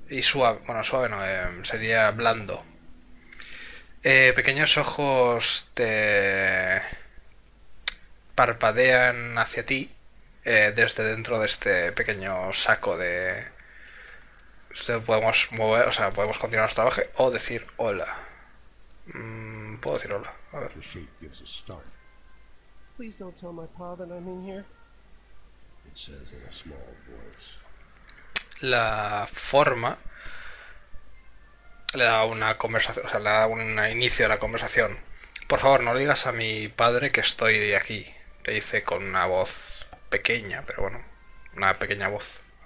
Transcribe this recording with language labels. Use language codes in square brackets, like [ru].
[es] Y suave, bueno, suave no, sería blando. Pequeños ojos te parpadean hacia ti, desde dentro de este pequeño saco de... Podemos mover, o sea, podemos continuar nuestro trabajo o decir hola. Puedo decir hola, a ver. [en] The shape gives a start. Please don't tell my pa that I'm in here. It says in a small voice. [es] La forma le da una conversación, o sea, le da un inicio a la conversación. Por favor, no le digas a mi padre que estoy aquí, te dice con una voz pequeña, pero bueno, una pequeña voz.